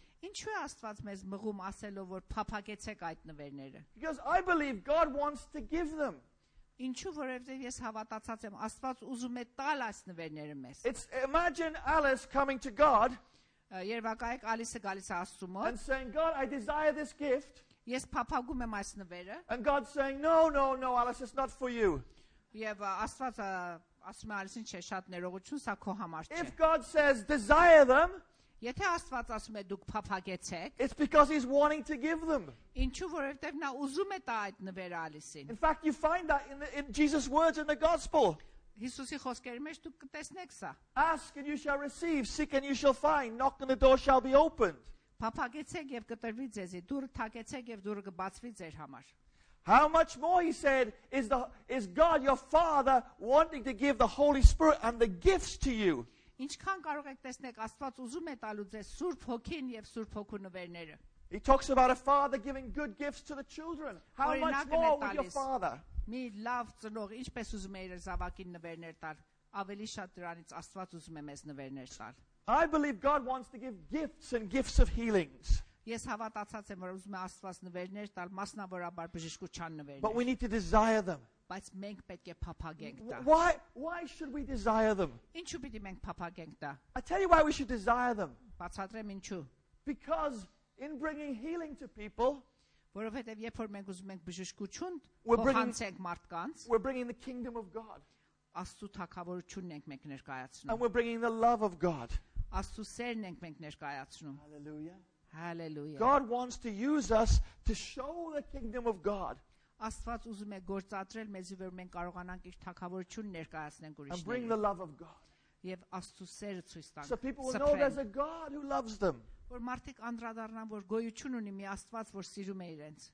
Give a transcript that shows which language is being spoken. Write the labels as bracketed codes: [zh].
[hy] Ինչու է Աստված մեզ մղում ասելով որ փափակեցեք այդ նվերները? [en] Because I believe God wants to give them. [hy] Ինչու որովհետև ես հավատացած եմ Աստված ուզում է տալ այս նվերները մեզ. [en] It's imagine Alice coming to God. [hy] Երևակայեք Ալիսը գալիս է Աստծո մոտ. [en] And saying God I desire this gift. [hy] Ես փափակում եմ այս նվերը. [en] And God saying no Alice it's not for you. [hy] Եվ Աստվածը ասում է Ալիսին չէ շատ ներողություն սա քո համար չէ. [en] If God says desire them. [hy] Եթե Աստված ասում է դուք փափագեցեք, [en] it's because he's wanting to give them. [hy] Ինչու որովհետև նա ուզում է տա այդ նվերը Ալիսին. [en] In fact, you find that in Jesus' words in the gospel. [hy] Հիսուսի խոսքերի մեջ դուք կտեսնեք սա. [en] Ask and you shall receive, seek and you shall find, knock and the door shall be opened. [hy] Փափագեցեք եւ կտրվի ձեզի, դուրս թակեցեք եւ դուրը կբացվի ձեր համար. [en] How much more he said is God your father wanting to give the Holy Spirit and the gifts to you. [hy] Ինչքան կարող եք տեսնել Աստված ուզում է տալու ձեզ Սուրբ Հոգին եւ Սուրբ Հոգու նվերները։ [en] He talks about a father giving good gifts to the children. How much more with your father? [hy] Մի լավ ծնող ինչպես ուզում է իր զավակին նվերներ տալ, ավելի շատ դրանից Աստված ուզում է մեզ նվերներ տալ։ [en] I believe God wants to give gifts and gifts of healings. [hy] Ես հավատացած եմ, որ ուզում է Աստված նվերներ տալ, մասնավորաբար բժշկության նվերներ։ [en] But we need to desire them. [hy] Բայց մենք պետք է փափագենք դա։ [en] Why should we desire them? [hy] Ինչու պիտի մենք փափագենք դա։ [en] I tell you why we should desire them. [hy] Բացատրեմ ինչու։ [en] Because in bringing healing to people, [hy] որովհետև երբ որ մենք ուզում ենք բժշկություն փոխանցենք մարդկանց, [en] we're bringing the kingdom of God. [hy] Աստծո թագավորությունն ենք մենք ներկայացնում։ [en] And we're bringing the love of God. [hy] Աստծո սերն ենք մենք ներկայացնում։ [en] Hallelujah. Hallelujah. God wants to use us to show the kingdom of God. [hy] Աստված ուզում է գործադրել մեզի վեր մենք կարողանանք իր թագավորությունը ներկայացնենք ուրիշներին. [en] And bring the love of God. [hy] Եվ Աստծո սերը ցույց տանք։ [en] So people will know there's a God who loves them. [hy] Որ մարդիկ անդրադառնան, որ գոյություն ունի մի Աստված, որ սիրում է իրենց։